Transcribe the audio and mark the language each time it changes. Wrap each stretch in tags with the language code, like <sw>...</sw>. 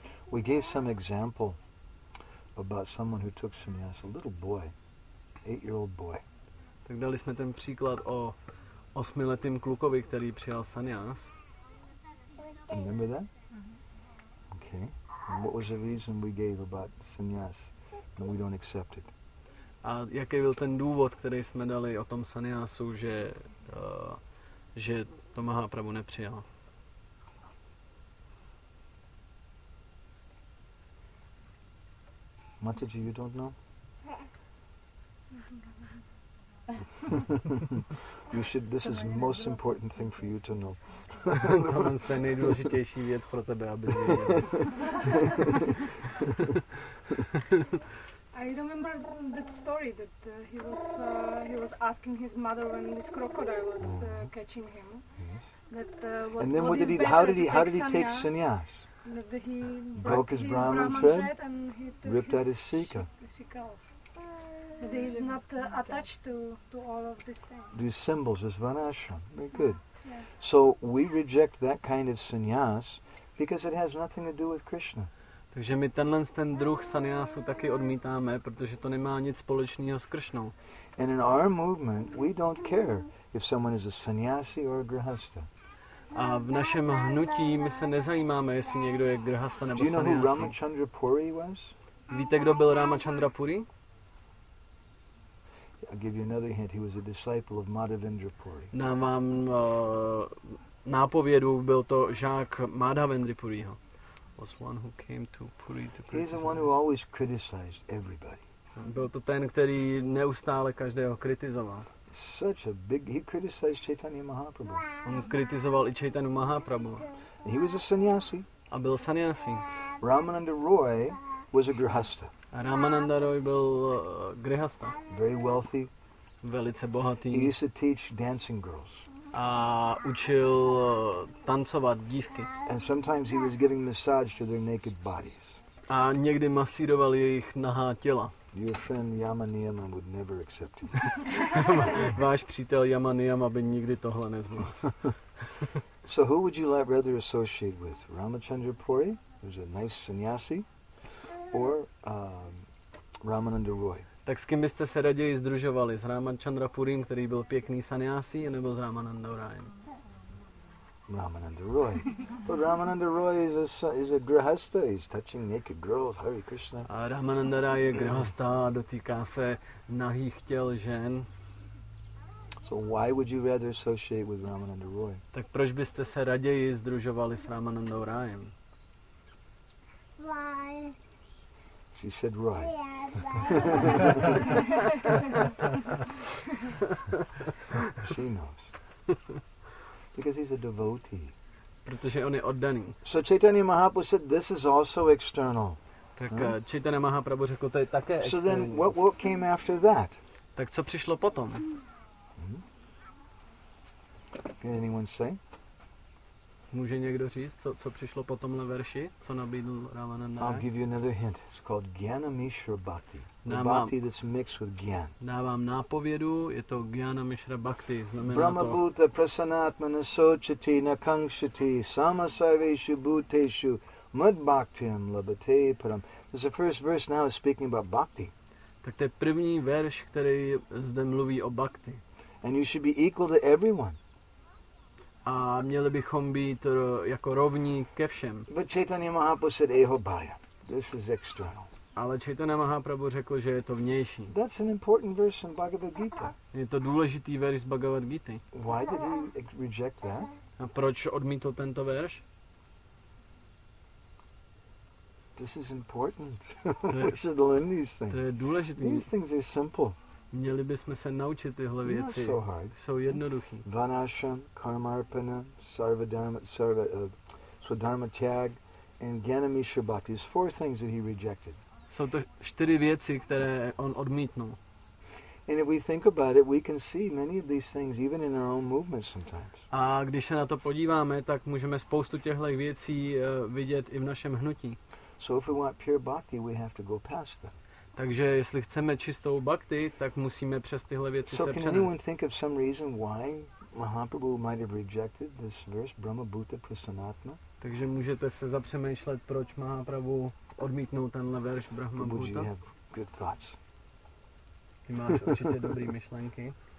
<en>We gave some example about someone who took sannyas, a little boy, 8-year-old boy.</en> <cs>Tak dali jsme ten příklad o 8-letém klukovi, který přijal sannyas.</cs> <en>Remember that? Mm-hmm. OK. What was the reason we gave about sannyas and we don't accept it?</en> <cs>A jaký byl ten důvod, který jsme dali o tom sannyasu, že to Mahaprabhu nepřijal?</cs> <en>Mataji, you don't know? You should. This is most important thing for you to know.</en> <cs>Tohle je nejdůležitější věc pro tebe, aby jsi věděl.</cs> <en>I remember that story that he was asking his mother when this crocodile was catching him. Yes. How did he take sannyas? Broke his Brahman thread and he took ripped out his sikha. He is not attached to all of these things. These symbols is vanashram. Very good. Yeah. Yeah. So we reject that kind of sannyas because it has nothing to do with Krishna.</en> <cs>Takže my tenhle ten druh sannyasu taky odmítáme, protože to nemá nic společného s Krishnou.</cs> <en>And in our movement, we don't care if someone is a sannyasi or a grihastha.</en> <cs>A v našem hnutí my se nezajímáme, jestli někdo je grhasta nebo</cs> <en>sannyasi. Do you know who Ramachandra Puri was?</en> <cs>Víte, kdo byl Ramachandra Puri?</cs> <en>I'll give you another hint. He was a disciple of Madhavendra Puri.</en> <cs>Nám vám nápovědu, byl to žák Madhavendra Puriho.</cs> <en>Was one who came to Puri to criticize. He's the one who always criticized everybody.</en> <cs>Byl to ten, který neustále každého kritizoval.</cs> <en>Such a big. He criticized Chaitanya Mahaprabhu.</en> <cs>On kritizoval i Chaitanya Mahaprabhu.</cs> <en>He was a sannyasi.</en> <cs>A byl sannyasi.</cs> <en>Ramananda Roy was a grihastha.</en> <cs>A Ramananda Roy byl grihastha.</cs> <en>Very wealthy.</en> <cs>Velice bohatý.</cs> <en>He used to teach dancing girls.</en> <cs>A učil tancovat dívky.</cs> <en>And sometimes he was giving massage to their naked bodies.</en> <cs>A někdy masíroval jejich nahá těla.</cs> <en>Your friend Yama Niyama would never accept him.</en> <cs>Váš přítel Yama Niyama by nikdy tohle nezvládl.</cs> <en>So who would you rather associate with? Ramachandra Puri, who's a nice sannyasi, or Ramananda Roy?</en> <cs>Tak s kým byste se raději sdružovali? S Ramachandra Purim, který byl pěkný sannyasi, nebo s Ramananda Royem?</cs> <en>Ramananda Roy. But Ramananda Roy is a grihastha. He's touching naked girls. Hare Krishna.</en> <cs>A Ramananda Roy je grihastha, dotýká se nahých těl žen.</cs> <en>So why would you rather associate with Ramananda Roy?</en> <cs>Tak proč byste se raději sdružovali s Ramanandou Royem?</cs> <en>Why? She said Roy. Yeah, she knows. Because he's a devotee.</en> <cs>Protože on je oddaný.</cs> <en>So Chaitanya Mahaprabhu said, this is also external.</en> <cs>Tak Chaitanya Mahaprabhu řekl, to je také externí.</cs> <en>So then what came after that?</en> <cs>Tak co přišlo potom?</cs> <en>Can anyone say?</en> <cs>Může někdo říct, co přišlo po tomhle verši, co nabídl Ramananda?</cs> <en>I'll give you another hint. It's called Gyanamishra Bhakti. Bhakti that's mixed with Gyan.</en> <cs>Dávám nápovědu, je to Gyanamishra Bhakti. Znamená</cs> <sa>Brahma to... Bhuta Prasanatmana Sochati Nakangshati Sama Sarveshu Bhuteshu Mud Bhaktim Labhate Param.</sa> <en>This is the first verse now speaking about Bhakti.</en> <cs>Tak to je první verš, který zde mluví o Bhakti.</cs> <en>And you should be equal to everyone.</en> <cs>A měli bychom být jako rovní ke všem.</cs> <en>But Chaitanya Mahaprabhu said</en> <sa>eho bhaya.</sa> <en>This is external.</en> <cs>Ale Chaitanya Mahaprabhu řekl, že je to vnější.</cs> <en>That's an important verse in Bhagavad Gita.</en> <cs>Je to důležitý verš Bhagavad Gita.</cs> <en>Why did he reject that?</en> <cs>A proč odmítl tento verš?</cs> <en>This is important. We should learn these things.</en> <cs>To je důležitý.</cs> <en>These things are simple.</en> <cs>Měli bychom se naučit tyhle věci.</cs> <en>So hard.</en> <cs>Jsou jednoduchý.</cs> <en>Vanashram, karmarpana, svadharma tyag and gyanamishra bhakti. It's four things that he rejected.</en> <cs>Jsou to čtyři věci, které on odmítnul.</cs> <en>And if we think about it, we can see many of these things even in our own movement sometimes.</en> <cs>A když se na to podíváme, tak můžeme spoustu těchto věcí vidět i v našem hnutí.</cs> <en>So if we want pure bhakti, we have to go past them.</en> <cs>Takže jestli chceme čistou bhakti, tak musíme přes tyhle věci</cs> <en>so</en> <cs>se přenést.</cs> <en>So can anyone think of some reason why Mahaprabhu might have rejected this verse Brahma Bhuta Prasanatma?</en> <cs>Takže můžete se zapřemýšlet, proč Mahaprabhu odmítnul tenhle verš Brahma Bhuta?</cs> <en>Would you have good thoughts?</en> <cs>Ty máš určitě dobrý myšlenky.</cs>